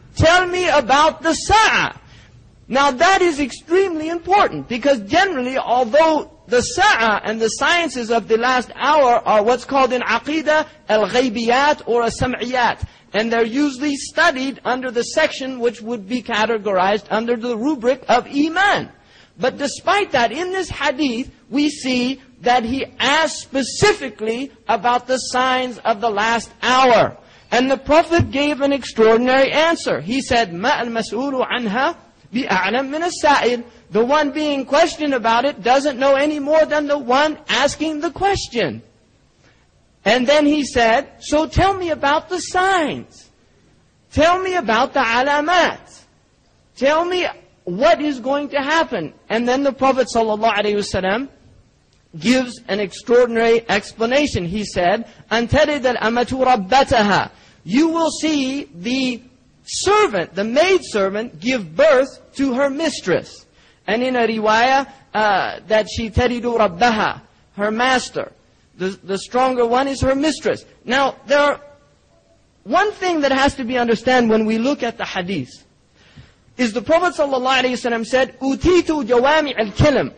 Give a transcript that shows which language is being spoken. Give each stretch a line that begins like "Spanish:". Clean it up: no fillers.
English: Tell me about the sa'a. Now that is extremely important, because generally, although the sa'a and the sciences of the last hour are what's called in aqidah al-ghaybiyat or as-sam'iyat, and they're usually studied under the section which would be categorized under the rubric of iman. But despite that, in this hadith, we see that he asked specifically about the signs of the last hour. And the Prophet gave an extraordinary answer. He said,
Arabic: مَا الْمَسْؤُولُ عَنْهَا بِأَعْلَمْ مِنَ السَّائِلِ.
English: The one being questioned about it doesn't know any more than the one asking the question. And then he said, so tell me about the signs. Tell me about the alamat. Tell me what is going to happen. And then the Prophet ﷺ gives an extraordinary explanation. He said,
Arabic: أَنْتَرِدَ الْأَمَةُ رَبَّتَهَا.
English: You will see the servant, the maidservant, give birth to her mistress. And in a riwayah, that she
Arabic: teridu rabbaha,
English: her master. The stronger one is her mistress. Now, there are one thing that has to be understood when we look at the hadith, is the Prophet
Arabic: sallallahu alayhi wa sallam
English: said,
Arabic: utitu jawami al-kilim.